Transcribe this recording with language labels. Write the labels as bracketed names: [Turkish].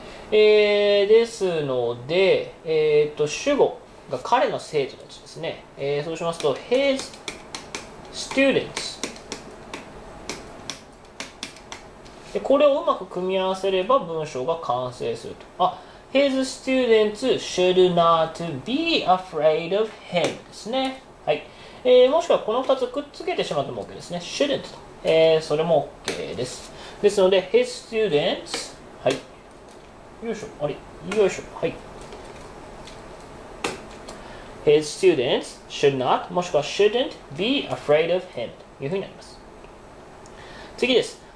[Japanese] ですので、主語が彼の生徒たちですね。そうしますと、 [English] his students。 [Japanese] で、これをうまく組み合わせれば文章が完成すると。 [English] あ、his students should not be afraid of him [Japanese] ですね。はい。もしくはこの2つくっつけてしまっても OK ですね。 [English] shouldn't [Japanese] と。それも OK です。ですので、 [English] his students、 [Japanese] はい。よいしょ、あれ、よいしょ、はい。 [English] His students should not、もしくは shouldn't be afraid of him [Japanese] というふうになります。次です。